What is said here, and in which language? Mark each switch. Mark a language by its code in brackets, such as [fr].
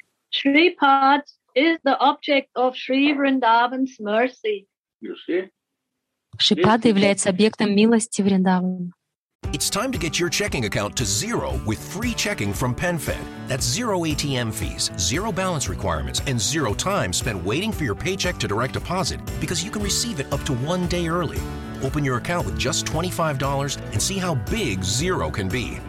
[en] Shripad is the object of Sri Vrindavan's mercy. [ru] Shripad является объектом милости Вриндавана. [en] It's time to get your checking account to zero with free checking from PenFed. That's zero ATM fees, zero balance requirements, and zero time spent waiting for your paycheck to direct deposit because you can receive it up to one day early. Open your account with just $25 and see how big zero can be.